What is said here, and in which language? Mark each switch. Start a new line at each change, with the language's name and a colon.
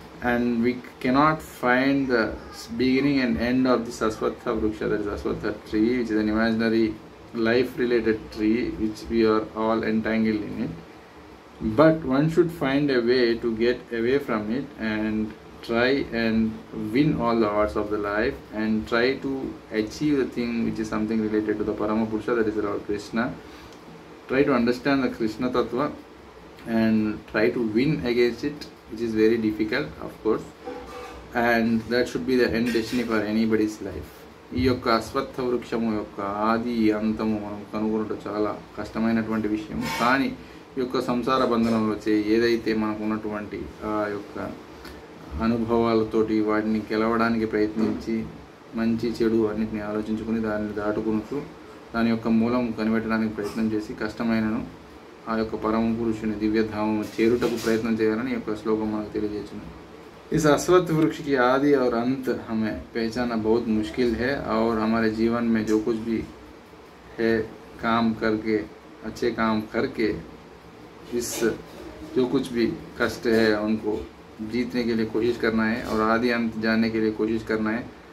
English: and we cannot find the beginning and end of this aswatha vruksha that is aswatha tree which is an imaginary life related tree which we are all entangled in it but one should find a way to get away from it and try and win all the odds of the life and try to achieve the thing which is something related to the parama purusha that is Lord Krishna try to understand the Krishna tattva and try to win against it, which is very difficult, of course. And that should be the end destiny for anybody's life.
Telugu: ఈ యొక్క అశ్వత్థ వృక్షము యొక్క ఆది అంతము మనం కనుగొనడం చాలా కష్టమైనటువంటి విషయం. కానీ ఈ యొక్క సంసార బంధనంలో వచ్చే ఏదైతే మనకు ఉన్నటువంటి ఆ యొక్క అనుభవాలతోటి వాటిని గెలవడానికి ప్రయత్నించి మంచి చెడు అన్నింటిని ఆలోచించుకుని దాన్ని దాటుకుంటూ దాని యొక్క మూలం కనిపెట్టడానికి ప్రయత్నం చేసి కష్టమైనను ఆ యొక్క పరమ పురుషుని దివ్యధామము చేరుటకు ప్రయత్నం చేయాలని ఈ యొక్క శ్లోకం మనకు తెలియజేస్తుంది.
Hindi: इस अश्वत्त वृक्ष की आदि और अंत हमें पहचानना बहुत मुश्किल है और हमारे जीवन में जो कुछ भी है काम करके अच्छे काम करके इस जो कुछ भी कष्ट है उनको जीतने के लिए कोशिश करना है और आदि अंत जानने के लिए कोशिश करना है.